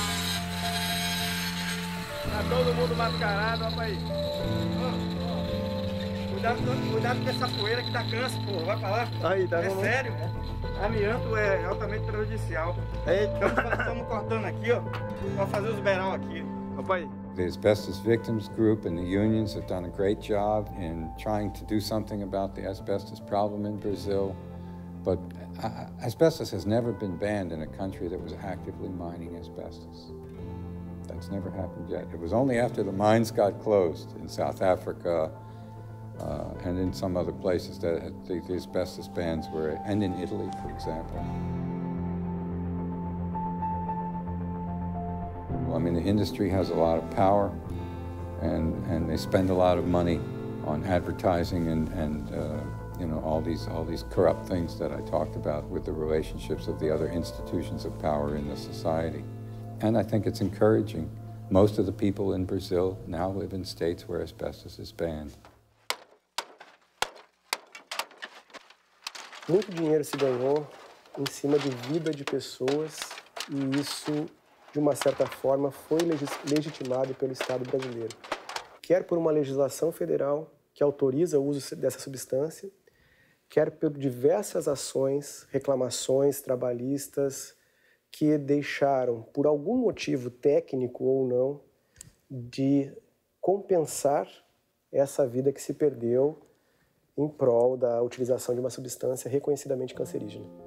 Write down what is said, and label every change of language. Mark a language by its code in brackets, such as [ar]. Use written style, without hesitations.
[pt] Tá todo mundo mascarado, rapaz. Cuidado com essa poeira que dá câncer, pô. Vai pra lá. Aí, tá bom. Sério? Amianto é altamente prejudicial. Eita. Então, nós estamos cortando aqui, ó, pra fazer os beirão aqui. Opa aí. [en] The Asbestos Victims Group and the unions have done a great job in trying to do something about the asbestos problem in Brazil. But asbestos has never been banned in a country that was actively mining asbestos. That's never happened yet. It was only after the mines got closed in South Africa and in some other places that the asbestos bans were, and in Italy, for example. Well, I mean, the industry has a lot of power, and they spend a lot of money on advertising and all these corrupt things that I talked about with the relationships of the other institutions of power in the society. And I think it's encouraging. Most of the people in Brazil now live in states where asbestos is banned. [pt] Muito dinheiro se ganhou em cima de vida de pessoas e isso, de uma certa forma, foi legitimado pelo Estado brasileiro. Quer por uma legislação federal que autoriza o uso dessa substância, quer por diversas ações, reclamações trabalhistas que deixaram, por algum motivo técnico ou não, de compensar essa vida que se perdeu em prol da utilização de uma substância reconhecidamente cancerígena.